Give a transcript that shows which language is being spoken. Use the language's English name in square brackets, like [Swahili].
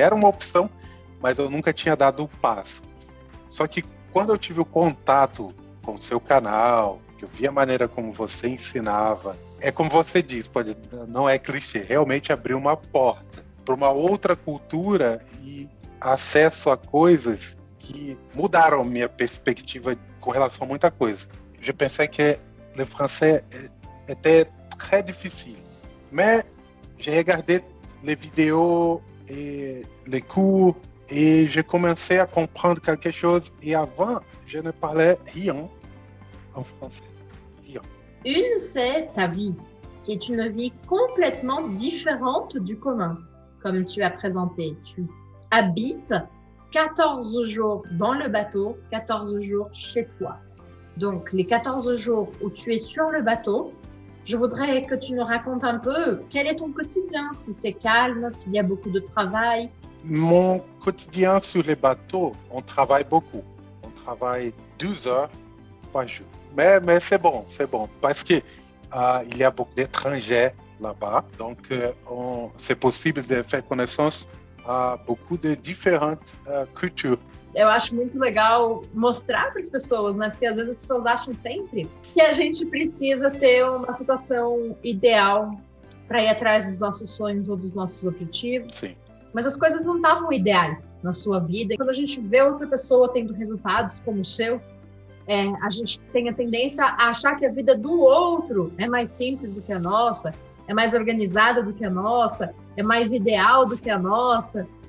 [Portuguese] Era uma opção, mas eu nunca tinha dado o passo. Só que quando eu tive o contato com o seu canal, que eu vi a maneira como você ensinava, é como você diz, pode, não é clichê, realmente abriu uma porta para uma outra cultura e acesso a coisas que mudaram minha perspectiva com relação a muita coisa. [French] Je pensais que le français était très difficile, mais j'ai regardé les vidéos et les cours et j'ai commencé à comprendre quelque chose et avant, je ne parlais rien en français. Une, c'est ta vie, qui est une vie complètement différente du commun, comme tu as présenté. Tu habites 14 jours dans le bateau, 14 jours chez toi. Donc, les 14 jours où tu es sur le bateau, je voudrais que tu nous racontes un peu quel est ton quotidien, si c'est calme, s'il y a beaucoup de travail. Mon quotidien sur les bateaux, on travaille beaucoup. On travaille 12 heures par jour. Mais c'est bon, parce que, il y a beaucoup d'étrangers là-bas. Donc, c'est possible de faire connaissance à beaucoup de différentes, cultures. [Portuguese] Eu acho muito legal mostrar para as pessoas, né? Porque às vezes as pessoas acham sempre que a gente precisa ter uma situação ideal para ir atrás dos nossos sonhos ou dos nossos objetivos. Mas as coisas não estavam ideais na sua vida. Quando a gente vê outra pessoa tendo resultados como o seu, a gente tem a tendência a achar que a vida do outro é mais simples do que a nossa, é mais organizada do que a nossa, é mais ideal do que a nossa.